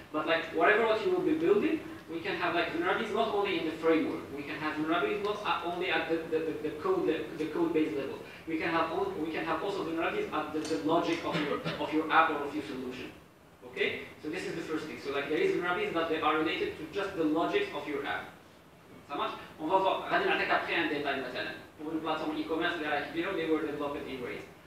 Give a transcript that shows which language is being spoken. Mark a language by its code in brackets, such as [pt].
[en] But like, whatever what you will be building, we can have like vulnerabilities not only in the framework. We can have vulnerabilities not only at the code base level. We can have also vulnerabilities at the logic of your app or of your solution. Okay? So this is the first thing. So like, there is vulnerabilities, but they are related to just the logic of your app. [fr] Ça marche? On va voir, on va attaquer après un détail maintenant. Pour une plateforme e-commerce, [en] they were developed in Ray.